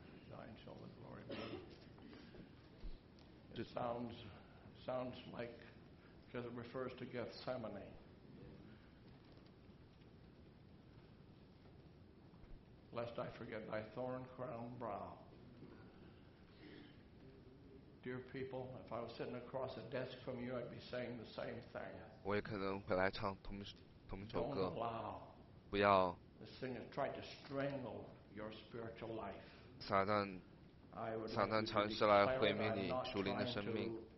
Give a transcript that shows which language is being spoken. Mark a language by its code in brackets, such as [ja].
[en] Thine shall the glory be. It sounds like, because it refers to Gethsemane. Lest I forget thy thorn-crowned brow. Dear people, if I was sitting across a desk from you, I'd be saying the same thing. [zh] 我也可能会来唱同一首歌。 [en] Don't allow. [zh] 不要。 [en] This thing has tried to strangle your spiritual life. [zh] 撒旦。撒旦尝试来毁灭你属灵的生命。